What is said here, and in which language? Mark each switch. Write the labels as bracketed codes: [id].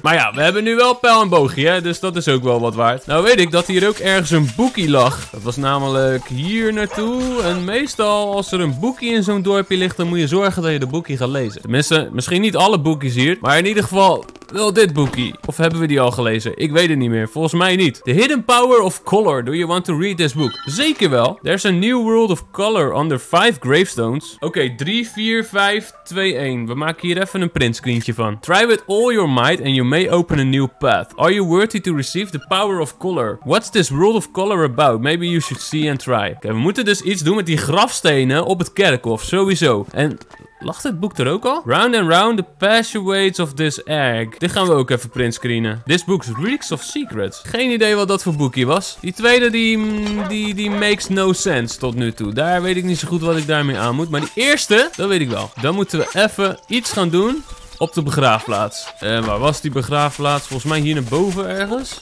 [nl] Maar ja, we hebben nu wel pijl en boogie, hè. Dus dat is ook wel wat waard. Nou weet ik dat hier ook ergens een boekie lag. Dat was namelijk hier naartoe. En meestal als er een boekie in zo'n dorpje ligt, dan moet je zorgen dat je de boekie gaat lezen. Tenminste, misschien niet alle boekies hier, maar in ieder geval wel dit boekie. Of hebben we die al gelezen? Ik weet het niet meer. Volgens mij niet. The Hidden Power of Color. [en] Do you want to read this book? [nl] Zeker wel. [en] There's a new world of color under 5 gravestones. [nl] Oké, 3, 4, 5, 2, 1. We maken hier even een printscreentje van. [en] Try with all your might and you may open a new path. Are you worthy to receive the power of color? What's this world of color about? Maybe you should see and try. [nl] Oké, we moeten dus iets doen met die grafstenen op het kerkhof. Sowieso. En... lag dit boek er ook al? [en] Round and round the passageways of this egg. [nl] Dit gaan we ook even printscreenen. [en] This book reeks of secrets. [nl] Geen idee wat dat voor boekje was. Die tweede die [en] makes no sense [nl] tot nu toe. Daar weet ik niet zo goed wat ik daarmee aan moet. Maar die eerste, dat weet ik wel. Dan moeten we even iets gaan doen op de begraafplaats. En waar was die begraafplaats? Volgens mij hier naar boven ergens.